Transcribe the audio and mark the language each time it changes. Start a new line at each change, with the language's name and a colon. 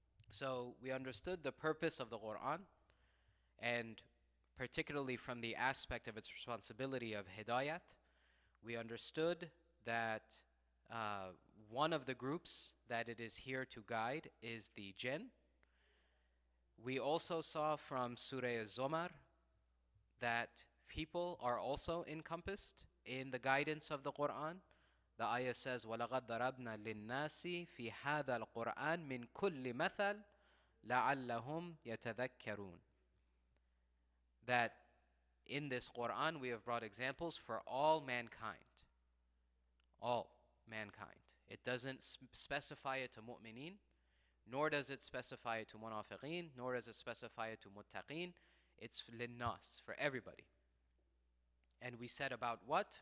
English: So we understood the purpose of the Qur'an, and particularly from the aspect of its responsibility of hidayat, we understood that one of the groups that it is here to guide is the jinn. We also saw from Surah Az-Zumar that people are also encompassed in the guidance of the Qur'an. The ayah says,
Arabic: وَلَغَدْ دَرَبْنَا لِلنَّاسِ فِي هَذَا الْقُرْآنِ مِنْ كُلِّ مَثَلٍ لَعَلَّهُمْ يَتَذَكَّرُونَ.
English: That in this Qur'an we have brought examples for all mankind. All mankind. It doesn't specify it to mu'mineen, nor does it specify it to munafiqeen, nor does it specify it to muttaqeen. It's linnas, for everybody. And we said about what?